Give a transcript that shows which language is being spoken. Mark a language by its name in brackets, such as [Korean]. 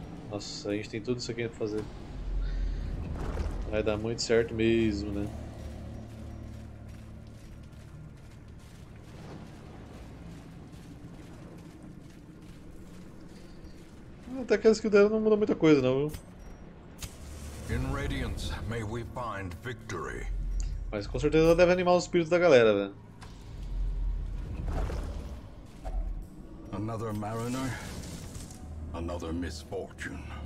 [Portuguese] Nossa, a gente tem tudo isso aqui pra fazer. Vai dar muito certo mesmo, né? Até que as que deram não mudou muita coisa, não, viu? [English] In Radiance, may we find victory. [Portuguese] Mas com certeza deve animar os espíritos da galera, velho. [English] Another mariner, another misfortune.